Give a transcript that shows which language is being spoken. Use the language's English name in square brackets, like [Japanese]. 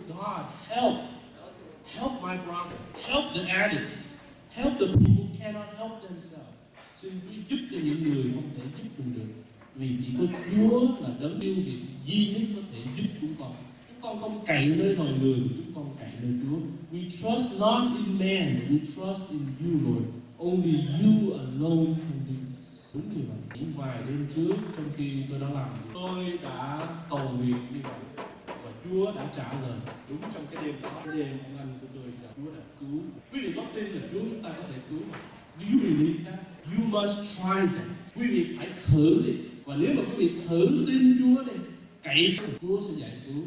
[English] God, help. Help my brother. Help the addicts. Help the people who cannot help themselves. [Vietnamese] Xin Chúa giúp cho những người không thể giúp mình được. Vì chỉ có Chúa là đấng yêu việt duy nhất có thể giúp chúng con. Chúng con không cậy nơi mọi người, chúng con cậy nơi Chúa. [English] We trust not in man, but we trust in you, Lord. Only you alone can do this. [Vietnamese] Đúng như vậy. Những vài đêm trước, trong khi tôi đã làm, tôi đã cầu nguyện như vậy. Và Chúa đã trả lời. Đúng trong cái đêm đó, cái đêm ông anh của tôi là Chúa đã cứu. Quý vị có tin là Chúa ta có thể cứu mà. [English] Do you believe that? You must try that. [Vietnamese] Quý vị phải thử đi. Và nếu mà quý vị thử tin Chúa đi, cậy thì Chúa sẽ giải cứu.